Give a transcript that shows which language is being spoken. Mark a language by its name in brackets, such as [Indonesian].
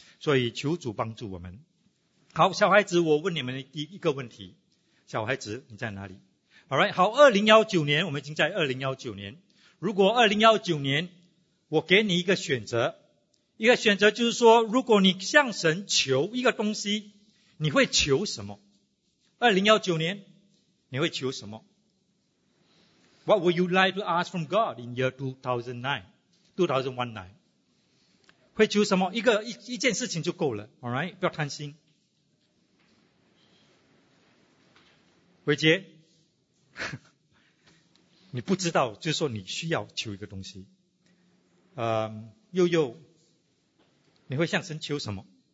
[Chinese] 所以求主帮助我们。好，小孩子，我问你们第一个问题，小孩子你在哪里？ Alright， 好，2019年我们已经在2019年，如果2019年我给你一个选择，一个选择就是说，如果你向神求一个东西，你会求什么？ 2019年你会求什么？ [English] What would you like to ask from God in year 2009? [Chinese] 会求什么？一件事情就够了， Alright， 不要贪心。伟杰，你不知道，就是说你需要求一个东西。悠悠，你会向神求什么？